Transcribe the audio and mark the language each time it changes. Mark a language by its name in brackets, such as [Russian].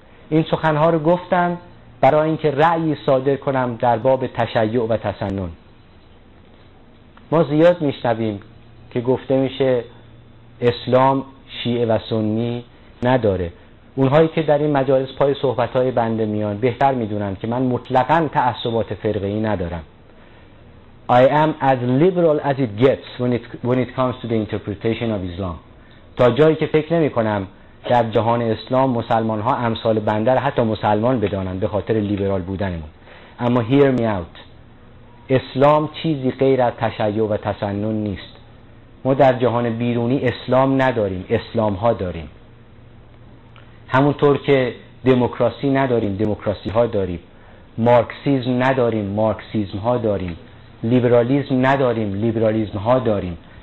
[Persian] این سخنها رو گفتم برای اینکه رأی صادر کنم در باب تشیع و تسنن. ما زیاد میشنویم که گفته میشه اسلام شیعه و سنی نداره. اونهایی که در این مجالس پای صحبتهای بنده میان بهتر میدونن که من مطلقاً تعصبات فرقه‌ای ندارم. [English] I am as liberal as it gets when it comes to the interpretation of Islam. [Persian] تا جایی که فکر نمی کنم در جهان اسلام مسلمان ها امثال بنده را حتی مسلمان بدانند به خاطر لیبرال بودنمون. اما [English] hear me out، [Persian] اسلام چیزی غیر از تشیع و تسنن نیست. ما در جهان بیرونی اسلام نداریم، اسلام ها داریم، همونطور که دموکراسی نداریم، دموکراسی ها داریم، مارکسیزم نداریم، مارکسیزم ها داریم، لیبرالیزم نداریم، لیبرالیزم ها داریم.